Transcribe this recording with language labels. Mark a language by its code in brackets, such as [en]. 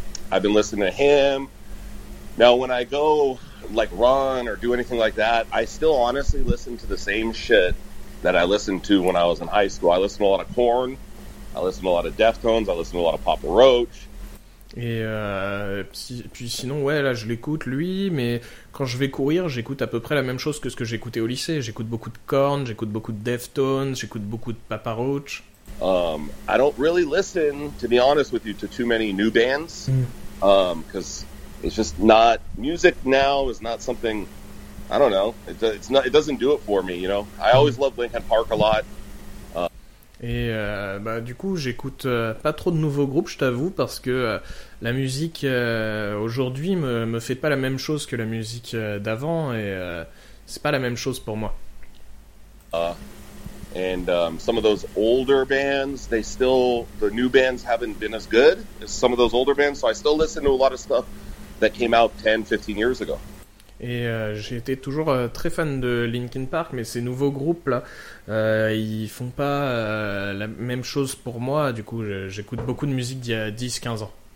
[en] I've been listening to him. Now when I go like run or do anything like that, I still honestly listen to the same shit that I listened to when I was in high school. I listen to a lot of Korn, I listen to a lot of Deftones, I listen to a lot of Papa Roach. [fr] Et puis sinon, ouais, là je l'écoute lui, mais quand je vais courir, j'écoute à peu près la même chose que ce que j'écoutais au lycée. J'écoute beaucoup de Korn, j'écoute beaucoup de Deftones, j'écoute beaucoup de Papa Roach. [en] I don't really listen, to be honest with you, to too many new bands, because it's just not music now is not something, I don't know, it's not, it doesn't do it for me, you know. I always loved Linkin Park a lot. [fr] Et du coup, j'écoute pas trop de nouveaux groupes, je t'avoue, parce que la musique aujourd'hui me fait pas la même chose que la musique d'avant, et c'est pas la même chose pour moi. [en] Some of those older bands, they still, the new bands haven't been as good as some of those older bands, so I still listen to a lot of stuff that came out 10-15 years ago. [fr] Et j'ai été toujours très fan de Linkin Park, mais ces nouveaux groupes-là, ils font pas la même chose pour moi. Du coup, j'écoute beaucoup de musique d'il y a 10-15 ans.